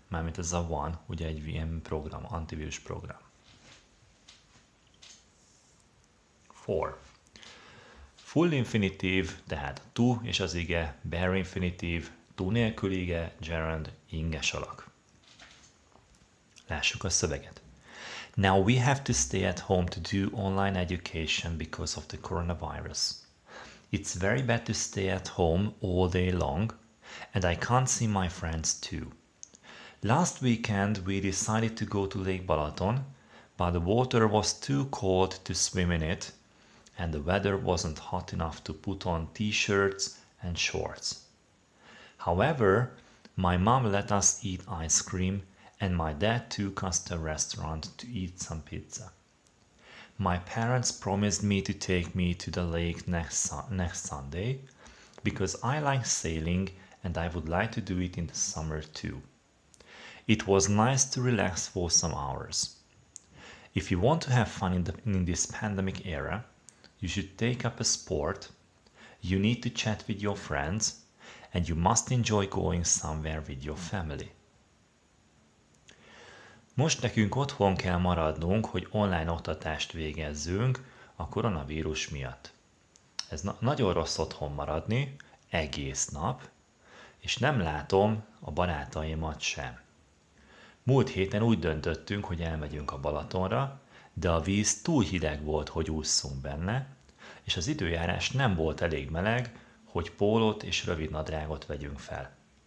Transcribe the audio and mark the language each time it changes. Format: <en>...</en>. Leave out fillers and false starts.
<hu>Mármint ez a van, ugye egy VM program, antivírus program. 4. Full infinitive, tehát to és az ige, bare infinitive, to nélkül ige, gerund, inges alak. Lássuk a szöveget.</hu> <en>Now we have to stay at home to do online education because of the coronavirus. It's very bad to stay at home all day long, and I can't see my friends too. Last weekend we decided to go to Lake Balaton, but the water was too cold to swim in it, and the weather wasn't hot enough to put on t-shirts and shorts. However, my mom let us eat ice cream, and my dad took us to a restaurant to eat some pizza. My parents promised me to take me to the lake next Sunday, because I like sailing and I would like to do it in the summer too. It was nice to relax for some hours. If you want to have fun in this pandemic era, You should take up a sport. You need to chat with your friends. And you must enjoy going somewhere with your family.</en> <hu>Most nekünk otthon kell maradnunk, hogy online oktatást végezzünk a koronavírus miatt. Ez nagyon rossz otthon maradni, egész nap, és nem látom a barátaimat sem. Múlt héten úgy döntöttünk, hogy elmegyünk a Balatonra, de a víz túl hideg volt, hogy ússzunk benne, és az időjárás nem volt elég meleg, hogy pólót és rövid nadrágot vegyünk fel.</hu>